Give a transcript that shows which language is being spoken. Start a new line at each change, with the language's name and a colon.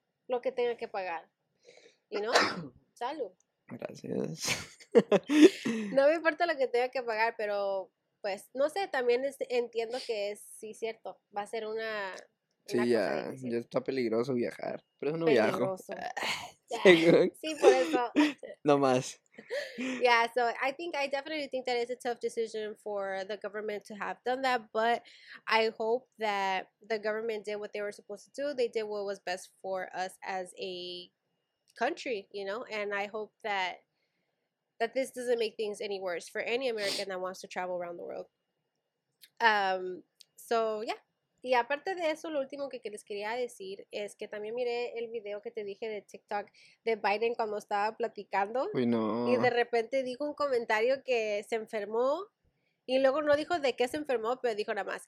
Spanish: lo que tenga que pagar. Y no, salud. Gracias. No me importa lo que tenga que pagar, pero pues, no sé, también entiendo que es, sí, cierto, va a ser una... Sí, ya, ya está peligroso viajar, pero eso no viajo. Sí, por eso. No más.
English: Yeah, so I think, I definitely think that it's a tough decision for the government to have done that, but I hope that the government did what they were supposed to do. They did what was best for us as a country, you know, and I hope that this doesn't make things any worse for any American that wants to travel around the world. So, yeah.
Spanish: Y aparte de eso, lo último que les quería decir es que también miré el video que te dije de TikTok de Biden cuando estaba platicando. Uy, no. Y de repente dijo un comentario que se enfermó y luego no dijo de qué se enfermó, pero dijo nada más.